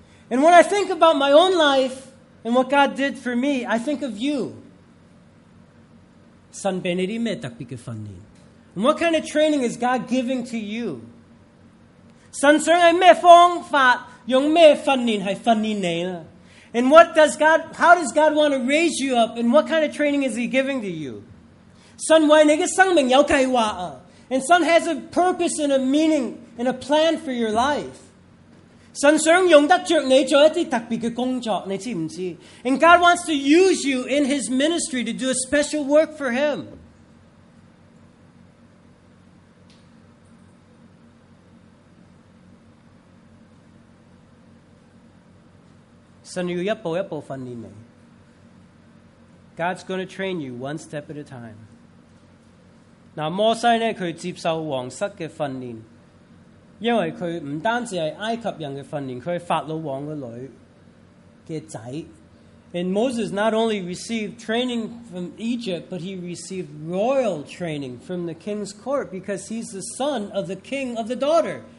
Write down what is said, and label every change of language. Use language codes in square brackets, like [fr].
[en] And when I think about my own life and what God did for me, I think of you. [zh] 神给你什么特别的训练? [en] And what kind of training is God giving to you? [zh] 神想你什么方法? 用什么训练是训练你呢? [en] And what does God, how does God want to raise you up? And what kind of training is He giving to you? [zh] 神为你的生命有计划啊, [en] and Son has a purpose and a meaning and a plan for your life. [zh] 神想用得着你做一些特别的工作,你知不知? [en] And God wants to use you in His ministry to do a special work for Him. [zh] 神要一步一步训练你。 [en] God's going to train you one step at a time. [zh] 摩西他接受皇室的训练，因为他不单止是埃及人的训练，他是法老王的女的儿子。 [en] And Moses not only received training from Egypt, but he received royal training from the king's court because he's the son of the king of the daughter.